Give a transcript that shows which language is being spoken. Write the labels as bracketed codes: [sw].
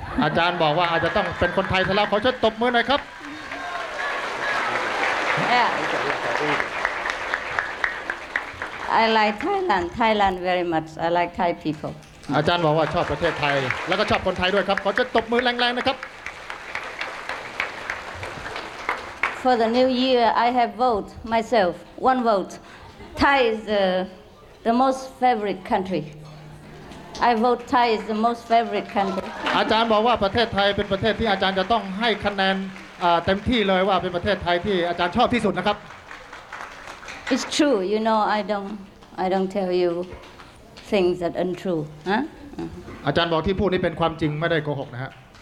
[th] อาจารย์บอกว่าอาจจะต้องเป็นคนไทยซะแล้วขอช่วยตบมือหน่อยครับ [en] Yeah. I like Thailand. Thailand very much. I like Thai people. [th] อาจารย์บอกว่าชอบประเทศไทยแล้วก็ชอบคนไทยด้วยครับขอจะตบมือแรงๆนะครับ [en] For the new year, I have vote myself. One vote. Thai is the most favorite country. I vote Thai is the most favorite country. [th] อาจารย์บอกว่าประเทศไทยเป็นประเทศที่อาจารย์จะต้องให้คะแนนเต็มที่เลยว่าเป็นประเทศไทยที่อาจารย์ชอบที่สุดนะครับ [en] It's true you know I don't tell you things that untrue huh? [th] อาจารย์บอกที่พูดนี่เป็นความจริงไม่ได้โกหกนะฮะ